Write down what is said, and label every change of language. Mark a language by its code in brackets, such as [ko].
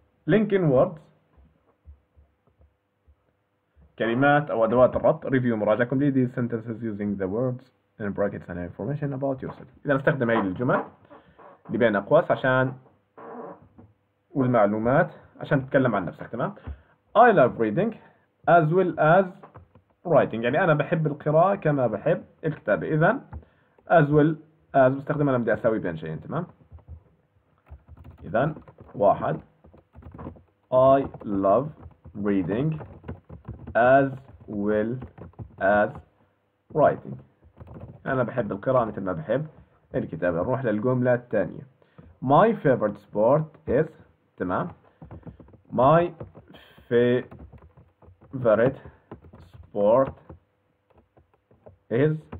[en] linkin words [ar] كلمات أو أدوات الربط [en] review [ar] مراجعة [en] complete these sentences using the words in brackets and information about yourself. [ar] إذا نستخدم هاي الجمل اللي بين أقواس عشان والمعلومات عشان تتكلم عن نفسك تمام. [en] I love reading as well as writing. [ar] يعني أنا بحب القراءة كما بحب الكتابة. إذا as well as بستخدم أنا بدي أساوي بين شيئين تمام. إذا واحد [en] I love reading as well as writing. [ar] أنا بحب القراءة مثل ما بحب الكتابة نروح للجملة الثانية [en] My favorite sport is [ar] تمام My favorite sport is